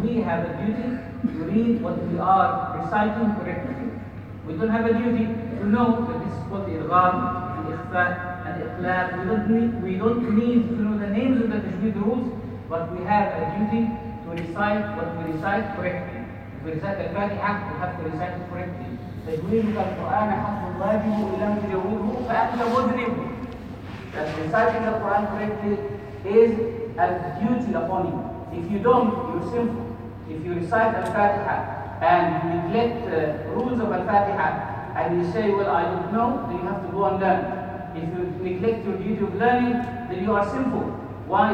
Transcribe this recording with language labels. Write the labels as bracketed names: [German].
[English] We have a duty to read what we are reciting correctly. We don't have a duty to know that this is called irghab, and ikhfa, and iqlab. We don't need to know the names of the tajweed rules, but we have a duty to recite what we recite correctly. If we recite the Fatiha, we have to recite it correctly. [Arabic] تجويدك القرآن حق واجب إن لم تجويده فأنت مذنب. [English] That reciting the Quran correctly is a duty upon you. If you don't, you're sinful. If you recite Al-Fatiha and you neglect the rules of Al-Fatiha and you say, well, I don't know, then you have to go and learn. If you neglect your duty of learning, then you are sinful. Why?